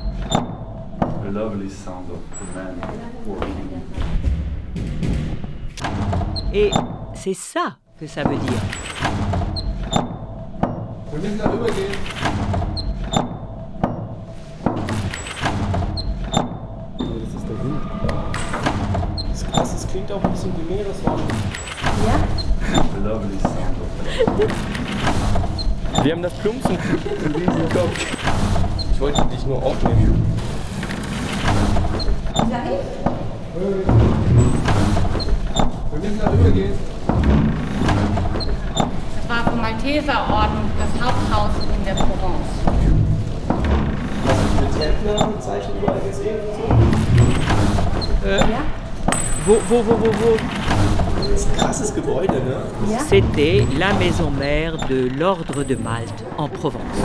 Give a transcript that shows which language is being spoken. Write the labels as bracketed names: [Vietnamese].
[English] A lovely sound of a man working. [French] Et c'est ça que ça veut dire. [German] Wir müssen da rübergehen. Das ist der Wind. Das ist krass, das klingt auch ein bisschen wie Meereswasser. Ja? [English] Lovely sound. [German] Wir haben das Plumpsen in diesem Kopf. Ich wollte dich nur aufnehmen. Ja, ich? Wir müssen da rübergehen. Malteserorden, das Haupthaus in der Provence. Hast du die Betreffnerzeichen überall gesehen oder so? Ja. Wo? Das ist ein krasses Gebäude, ne? Ja. [French] C'était la maison mère de l'Ordre de Malte en Provence.